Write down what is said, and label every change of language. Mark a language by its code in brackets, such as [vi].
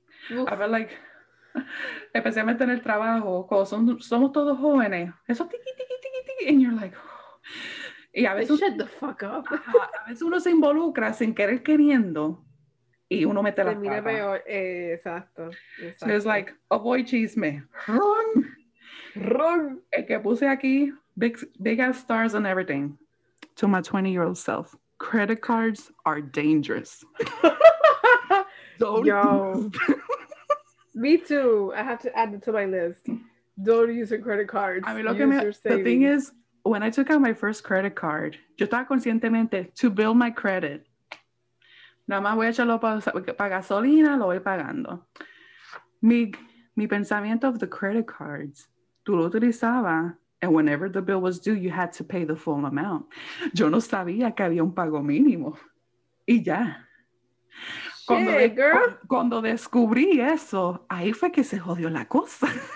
[es] Oof. [en] I feel like, [es] especialmente en el trabajo, somos todos jóvenes. Eso tiki, tiki, tiki, tiki. [en] And you're like, oh. [es] Y a veces, [en] they shut the fuck up. [es] A veces uno se involucra sin querer queriendo y uno mete la pata. Peor. Exacto. [en] So it's like, avoid chisme. Run. Run. [es] El que puse aquí, [en] big ass stars and everything. To my 20-year-old self. Credit cards are dangerous. Don't. Yo. Me too. I have to add it to my list. Don't use your credit cards. I mean, look at me. The thing is, when I took out my first credit card, [es] yo estaba conscientemente [en] to build my credit. [es] Nada más voy a echarlo para gasolina, lo voy pagando. Mi pensamiento [en] of the credit cards, [es] tú lo utilizabas. [en] And whenever the bill was due, you had to pay the full amount. [es] Yo no sabía que había un pago mínimo. Y ya. Cuando descubrí eso, ahí fue que se jodió la cosa.